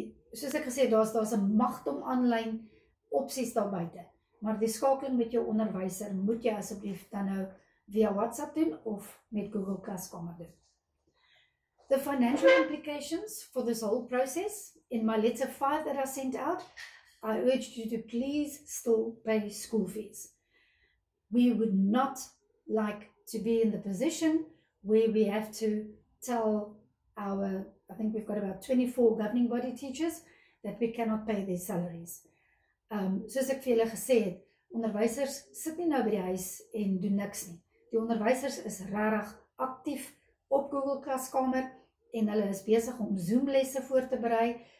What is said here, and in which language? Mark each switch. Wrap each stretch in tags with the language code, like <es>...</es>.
<af>Soos ek gesê, daar's 'n magt om online opsies daar buite, maar die skakeling met jou onderwyser moet jy asseblief dan nou via WhatsApp doen of met Google Klaskamer doen.</af> <en>The financial implications for this whole process, in my letter 5 that I sent out, I urged you to please still pay school fees. We would not like to be in the position where we have to tell our, I think we've got about 24 governing body teachers, that we cannot pay their salaries.</en> <af>Soos ek vir julle gesê het, onderwysers sit nie nou by die huis en doen niks nie. Die onderwysers is regtig aktief op Google Klaskamer en hulle is besig om Zoom lesse voor te berei.</af>